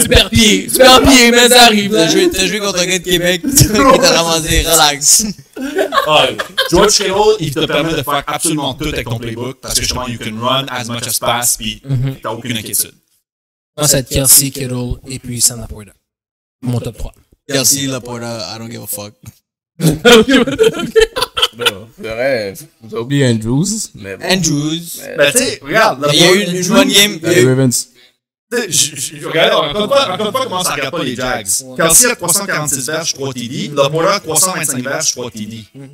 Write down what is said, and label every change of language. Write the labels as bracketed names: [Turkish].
[French] Super pied, mais ça arrive. T'as joué contre un gars de Québec, qui t'a ramassé, relax. George Kittle, il te permet de faire absolument tout avec ton playbook, parce que justement, [English] you can run as much as pass, [French] puis t'as aucune inquiétude. Dans cette Kelsey, Kittle, et puis Sam Laporta. Mon top 3. [English] Kelsey, Laporta, I don't give a fuck. [French] C'est vrai, vous avez oublié Andrews. Mais bon. Andrews. Mais tu sais, regarde. Il y a eu une bonne game. Les Ravens. Regarde, encore une fois, comment ça regarde pas les Jags. Ouais. Kelsey a 346 verges, 3 TD. Laporta, 325 verges, 3 TD.